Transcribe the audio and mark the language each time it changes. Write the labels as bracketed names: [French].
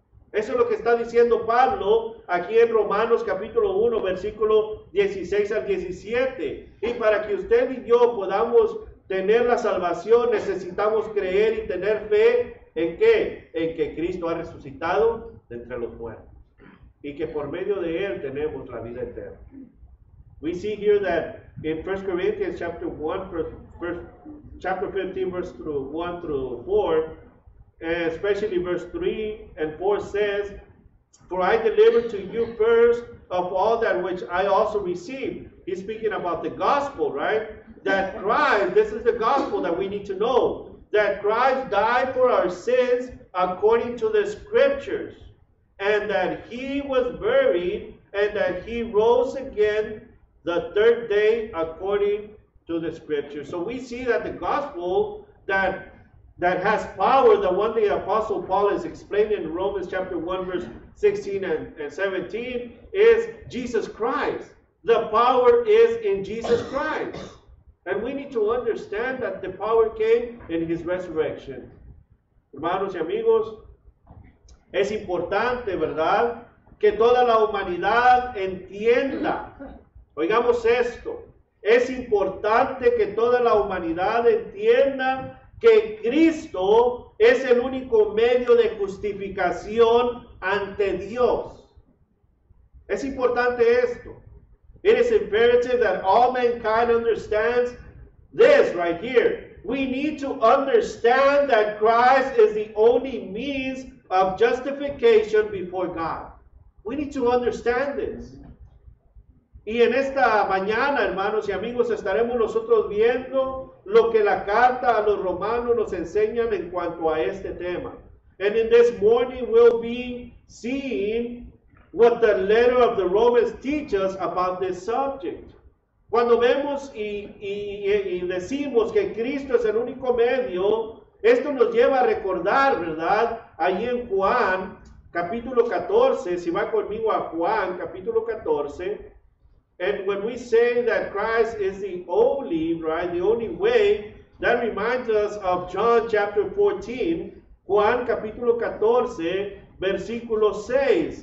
[Spanish] Eso es lo que está diciendo Pablo aquí en Romanos capítulo 1, versículo 16 al 17. Y para que usted y yo podamos tener la salvación, necesitamos creer y tener fe. ¿En qué? En que Cristo ha resucitado de entre los muertos, y que por medio de él tenemos la vida eterna. [English] We see here that in 1 Corinthians chapter 1, chapter 15, verse 1 through 4, especially verse 3 and 4 says, for I delivered to you first of all that which I also received. He's speaking about the gospel, right? That Christ, this is the gospel that we need to know, that Christ died for our sins according to the scriptures, and that he was buried, and that he rose again the third day according to the scriptures. So we see that the gospel that has power, the one the Apostle Paul is explaining in Romans chapter 1, verse 16 and 17, is Jesus Christ. The power is in Jesus Christ. And we need to understand that the power came in his resurrection. [Spanish] Hermanos y amigos, es importante, ¿verdad?, que toda la humanidad entienda. Oigamos esto. Es importante que toda la humanidad entienda que Cristo es el único medio de justificación ante Dios. Es importante esto. [English] It is imperative that all mankind understands this right here. We need to understand that Christ is the only means of justification before God. We need to understand this. [Spanish] Y en esta mañana, hermanos y amigos, estaremos nosotros viendo lo que la carta a los romanos nos enseñan en cuanto a este tema. [English] And in this morning we'll be seeing what the letter of the Romans teaches about this subject. [Spanish] Cuando vemos y decimos que Cristo es el único medio, esto nos lleva a recordar, ¿verdad?, ahí en Juan, capítulo 14, si va conmigo a Juan, capítulo 14. [English] And when we say that Christ is the only, right, the only way, that reminds us of John chapter 14, [Spanish] Juan capítulo 14, versículo 6.